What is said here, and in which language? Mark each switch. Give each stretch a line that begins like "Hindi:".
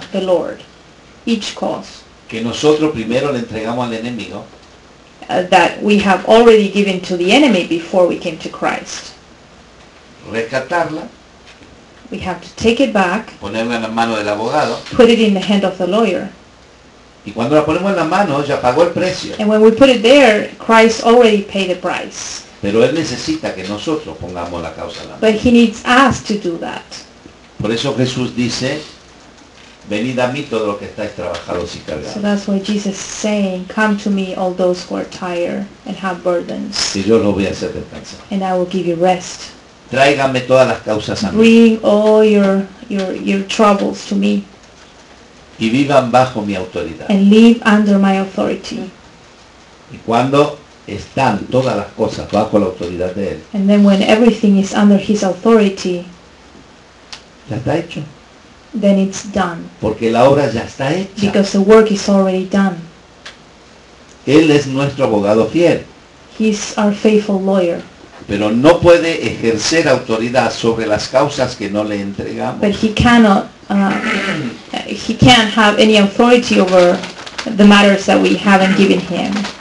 English: to the Lord. Each cause.
Spanish: Que nosotros primero le entregamos al enemigo.
English: That we have already given to the enemy before we came to Christ.
Spanish: Rescatarla.
English: We have to take it back.
Spanish: Ponerla en la mano del abogado.
English: Put it in the hand of the lawyer.
Spanish: Y cuando la ponemos en la mano, ya pagó el precio.
English: And when we put it there, Christ already paid the price.
Spanish: Pero él necesita que nosotros pongamos la causa en la mano.
English: But he needs us to do that.
Spanish: Por eso Jesús dice, Venid a mí todos los que estáis trabajados y cargados.
English: So that's why Jesus is saying, come to me all those who are tired and have burdens.
Spanish: Y yo los voy a hacer descansar.
English: And I will give you rest.
Spanish: Tráigame todas las causas a mí.
English: Bring all your troubles to me.
Spanish: Y vivan bajo mi autoridad.
English: And live under my authority.
Spanish: Y cuando están todas las cosas bajo la autoridad de él.
English: And then when everything is under his authority.
Spanish: Ya está hecho.
English: Then it's done.
Spanish: Porque la obra ya está hecha.
English: Because the work is already done.
Spanish: Él es nuestro abogado fiel.
English: He's our faithful lawyer.
Spanish: Pero no puede ejercer autoridad sobre las causas que no le entregamos.
English: But he cannot he can't have any authority over the matters that we haven't given him.